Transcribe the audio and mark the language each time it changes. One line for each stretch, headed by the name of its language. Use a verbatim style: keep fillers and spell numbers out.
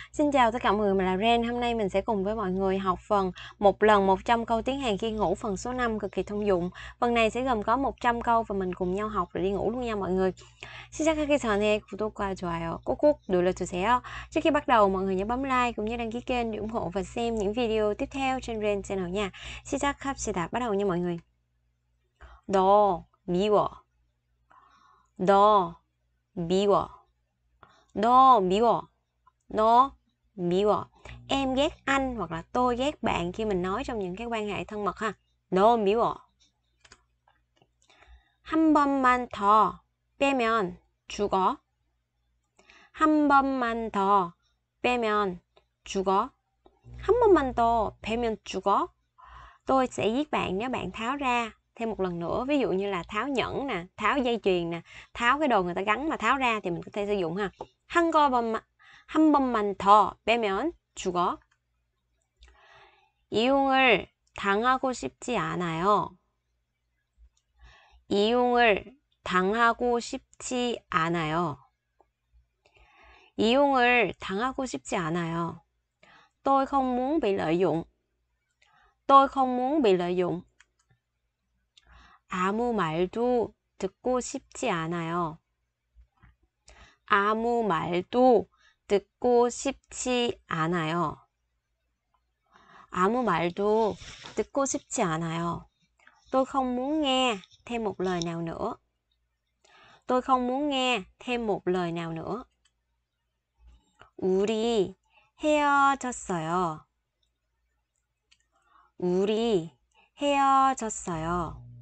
Vietnamese: Xin chào tất cả mọi người, mình là Ren. Hôm nay mình sẽ cùng với mọi người học phần một lần một trăm câu tiếng Hàn khi ngủ phần số năm cực kỳ thông dụng. Phần này sẽ gồm có một trăm câu và mình cùng nhau học rồi đi ngủ luôn nha mọi người.
Korean: 시작하기 전에 구독과 좋아요 꼭꼭 눌러주세요.
Vietnamese: Trước khi bắt đầu, mọi người nhớ bấm like cũng như đăng ký kênh để ủng hộ và xem những video tiếp theo trên Ren Channel nha.
Korean: 시작합시다.
Vietnamese: Bắt đầu nha mọi người.
Korean: 너 미워. 너 미워. 너 미워.
Vietnamese: Nó
Korean: 미워.
Vietnamese: Em ghét anh hoặc là tôi ghét bạn khi mình nói trong những cái quan hệ thân mật ha.
Korean: 너 미워. 한 번만 더 빼면 죽어. 한 번만 더 빼면 죽어. 한 번만 더 빼면 죽어.
Vietnamese: Tôi sẽ giết bạn nếu bạn tháo ra thêm một lần nữa. Ví dụ như là tháo nhẫn nè, tháo dây chuyền nè, tháo cái đồ người ta gắn mà tháo ra thì mình có thể sử dụng ha.
Korean: 한 번만 한 번만 더 빼면 죽어. 이용을 당하고 싶지 않아요. 이용을 당하고 싶지 않아요. 이용을 당하고 싶지 않아요.
Vietnamese: Tôi không muốn bị lợi dụng. Tôi không muốn bị lợi dụng.
Korean: 아무 말도 듣고 싶지 않아요. 아무 말도 듣고 싶지 않아요. 아무 말도 듣고 싶지 않아요.
Vietnamese: Tôi không muốn nghe thêm một lời nào nữa. Tôi không muốn nghe thêm một lời nào nữa.
Korean: 우리 헤어졌어요. 우리 헤어졌어요.